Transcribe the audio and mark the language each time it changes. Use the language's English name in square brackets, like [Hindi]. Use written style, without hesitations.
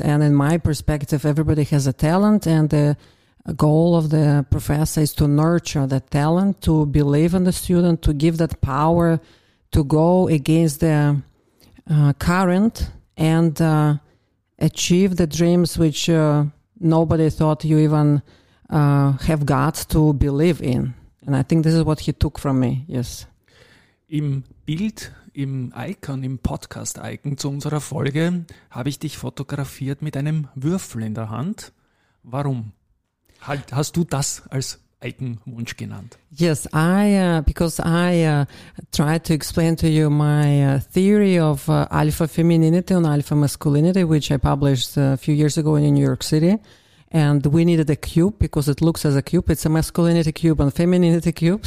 [English] And in my perspective, everybody has a talent, and the a goal of the professor is to nurture that talent, to believe in the student, to give that power to go against the current and achieve the dreams which nobody thought you even have got to believe in. And I think this is what he took from me, yes. [German] Im Bild, im Icon, im Podcast-Icon zu unserer Folge, habe ich dich fotografiert mit einem Würfel in der Hand. Warum? Hast du das als Eigenwunsch genannt? [English] Yes, I because I tried to explain to you my theory of alpha femininity and alpha masculinity, which I published a few years ago in New York City. And we needed a cube because it looks as a cube. It's a masculinity cube and femininity cube.